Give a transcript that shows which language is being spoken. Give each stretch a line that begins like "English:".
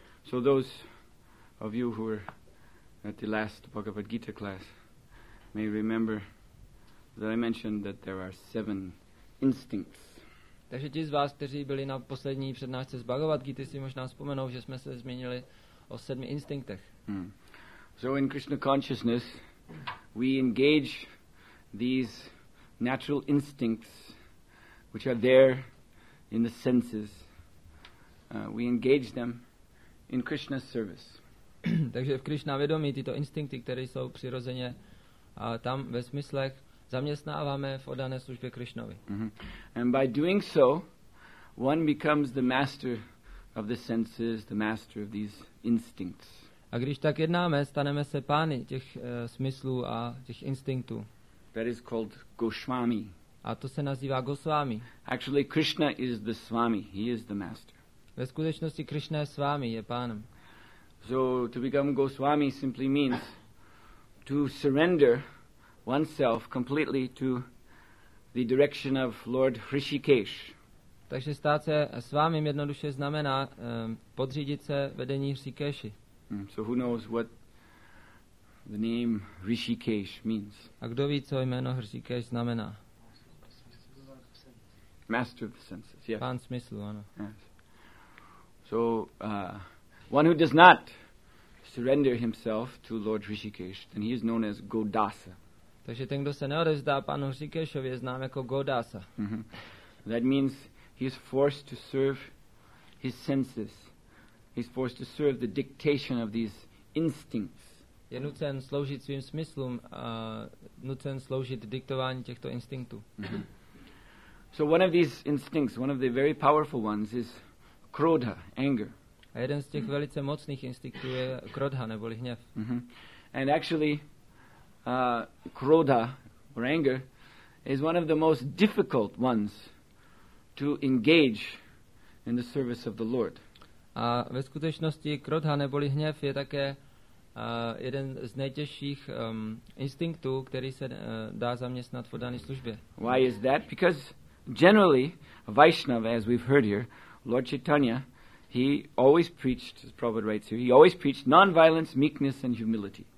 English: So those of you who were at the last Bhagavad Gita class may remember that I mentioned that there are 7 instincts.
Czech: Takže ti z vás, kteří byli na poslední přednášce z Bhagavad Gita, si možná vzpomenou, že jsme se zmínili o 7 instinktech.
English: So in Krishna consciousness, we engage these natural instincts which are there in the senses, we engage them in Krishna's service.
Czech: Takže v Krishna vědomí tyto instinkty, které jsou přirozeně tam ve smyslech, zaměstnáváme v oddané službě Krishnovi.
English: And by doing so, one becomes the master of the senses, the master of these instincts.
Czech: A když tak jednáme, staneme se pány těch smyslů a těch instinktů.
English: That is called Goswami.
Czech: A to se nazývá Goswami.
English: Actually, Krishna is the Swami. He is the master.
Czech: Ve skutečnosti Krishna je Swami, je pánem.
English: So to become Goswami simply means to surrender oneself completely to the direction of Lord Hrishikesh.
Czech: Takže stát se Swami jednoduše znamená podřídit se vedení Hrishikeshi.
English: So who knows what the name Hrishikesh means?
Czech: A kdo ví, co jméno Hrishikesh znamená?
English: Master of the senses, yes.
Czech: Pán smyslu, ano.
English: Yes. So, one who does not surrender himself to Lord Hrishikesh, then he is known as Godasa.
Czech: Takže ten, kdo se neodevzdá panu Hrishikeshovi, je znám jako Godasa.
English: That means he is forced to serve his senses. He is forced to serve the dictation of these instincts.
Czech: Je nucen sloužit svým smyslům, nucen sloužit diktování těchto instinktů.
English: So one of these instincts, one of the very powerful ones, is krodha, anger.
Czech: A jeden z těch velice mocných instinktů je krodha, neboli hněv.
English: And actually, krodha, or anger, is one of the most difficult ones to engage in the service of the Lord.
Czech: A ve skutečnosti krodha, neboli hněv, je také jeden z nejtěžších instinktů, který se dá zaměstnat v dané službě.
English: Why is that? Because generally Vaishnava, as we've heard here, Lord Chaitanya, he always preached, as Prabhupada writes here, he always preached non-violence, meekness and humility.